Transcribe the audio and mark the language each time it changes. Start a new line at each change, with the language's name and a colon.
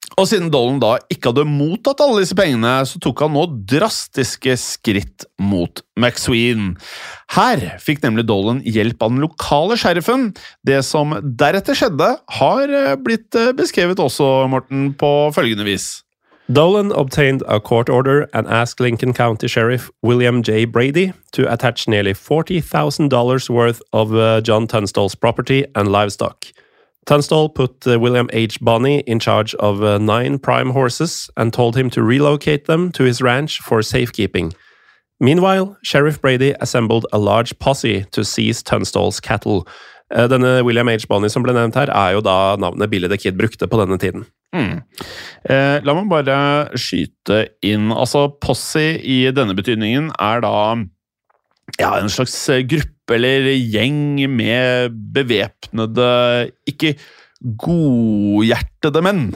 Norwegian: Og siden Dolan da ikke hadde mottatt alle disse pengene, så tok han nå drastiske skritt mot McSween. Her fikk nemlig Dolan hjelp av den lokale sheriffen. Det som deretter skjedde har blitt beskrevet også, Morten, på følgende vis.
English: Dolan obtained a court order and asked Lincoln County Sheriff William J. Brady to attach nearly $40,000 worth of John Tunstall's property and livestock. Tunstall put William H. Bonney in charge of 9 prime horses and told him to relocate them to his ranch for safekeeping. Meanwhile, Sheriff Brady assembled a large posse to seize Tunstall's cattle.
Norwegian: Denne William H. Bonney som ble nevnt her, jo da navnet Billy the Kid brukte på denne tiden. La meg bare skyte inn, altså posse i denne betydningen da ja, en slags gruppe eller gjeng med bevepnede, ikke godhjertede menn.